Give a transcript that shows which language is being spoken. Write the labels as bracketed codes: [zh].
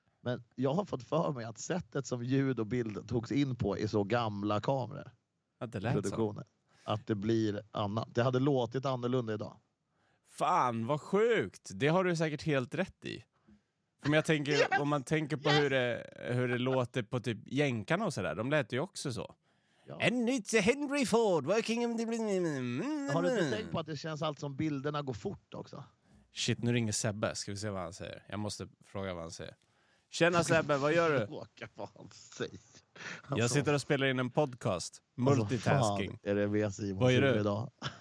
[sv] Men jag har fått för mig att sättet som ljud och bild togs in på är så gamla kameror. Att det lät produktionen. Så. Att det blir annat. Det hade låtit annorlunda idag. Fan, vad sjukt. Det har du säkert helt rätt i. Men jag tänker, yes! Om man tänker på hur det låter på typ jänkarna och sådär. De lät ju också så. [en] And it's Henry Ford working in the... [sv] Har du inte tänkt på att det känns allt som bilderna går fort också? Shit, nu ringer Sebbe. Ska vi se vad han säger? Jag måste fråga vad han säger. Tjena Sebbe, vad gör du? Fråga vad han säger. Alltså, jag sitter och spelar in en podcast. Multitasking. Alltså, fan, är det Simon? Vad gör du idag?